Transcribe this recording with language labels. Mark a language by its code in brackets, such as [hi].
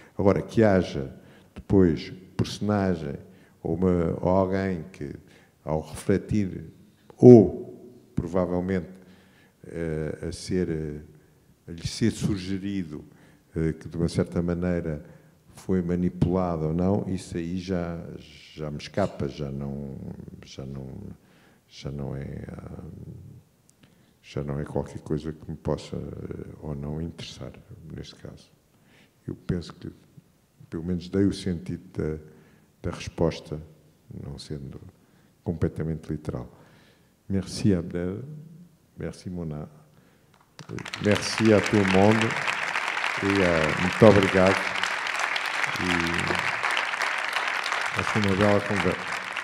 [pt] Agora, que haja depois personagem ou alguém que ao refletir ou provavelmente a lhe ser sugerido que de uma certa maneira foi manipulada ou não, isso aí já me escapa, já não é qualquer coisa que me possa ou não interessar neste caso. Eu penso que pelo menos dei o sentido da resposta, não sendo completamente literal. [fr] Merci Abdel, merci Mona, merci à [pt] todo mundo. Muito obrigado. E acho que uma bela conversa.